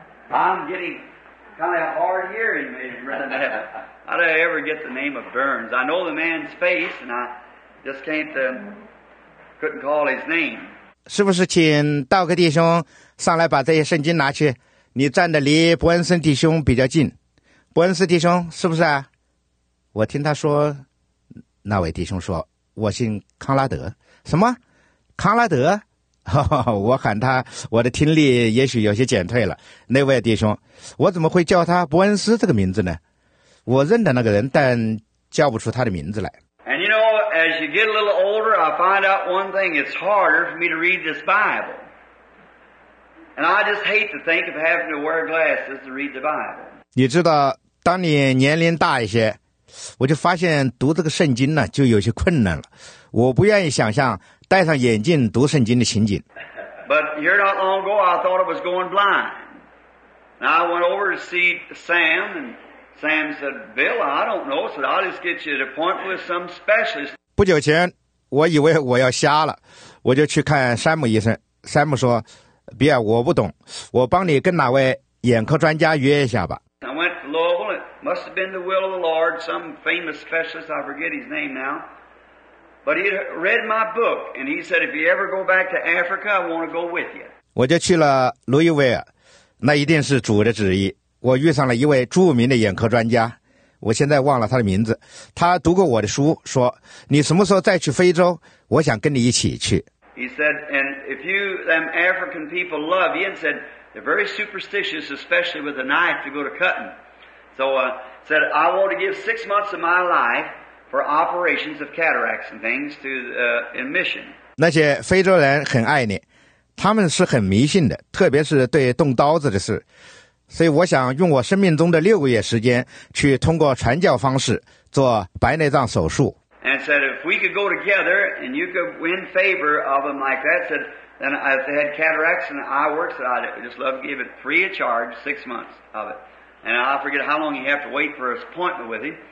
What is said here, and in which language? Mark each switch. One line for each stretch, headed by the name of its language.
English: I'm getting kind of hard hearing, maybe, rather than that. How did I ever get the name of Burns? I know the man's face, and I just couldn't call his name.
Chinese: 是不是请道格弟兄上来把这些圣经拿去？你站得离伯恩斯弟兄比较近。伯恩斯弟兄，是不是啊？我听他说。那位弟兄说，我姓康拉德。什么？康拉德？我喊他，我的听力也许有些减退了。那位弟兄，我怎么会叫他伯恩斯这个名字呢？我认得那个人，但叫不出他的名字来。
English: And you know, as you get a little older, I find out one thing, it's harder for me to read this Bible. And I just hate to think of having to wear glasses to read the Bible.
Chinese: 你知道，当你年龄大一些，我就发现读这个圣经呢就有些困难了，我不愿意想象戴上眼镜读圣经的情景。
English: But here not long ago, I thought I was going blind. And I went over to see Sam, and Sam said, Bill, I don't know. So I'll just get you an appointment with some specialist.
Chinese: 不久前，我以为我要瞎了，我就去看山姆医生。山姆说，比尔，我不懂，我帮你跟哪位眼科专家约一下吧。
English: I went to Louisville. It must have been the will of the Lord. Some famous specialist, I forget his name now. But he read my book, and he said, if you ever go back to Africa, I want to go with you.
Chinese: 我就去了路易威尔，那一定是主的旨意。我遇上了一位著名的眼科专家，我现在忘了他的名字。他读过我的书，说，你什么时候再去非洲，我想跟你一起去。
English: He said, and if you, them African people love you, and said, they're very superstitious, especially with a knife to go to cutting. So, said, I want to give 6 months of my life for operations of cataracts and things to, in mission.
Chinese: 那些非洲人很爱你，他们是很迷信的，特别是对动刀子的事。所以我想用我生命中的六个月时间去通过传教方式做白内障手术。
English: And said, if we could go together and you could win favor of them like that, said, then if they had cataracts and eye works, I'd just love to give it free of charge, 6 months of it. And I forget how long you have to wait for an appointment with him.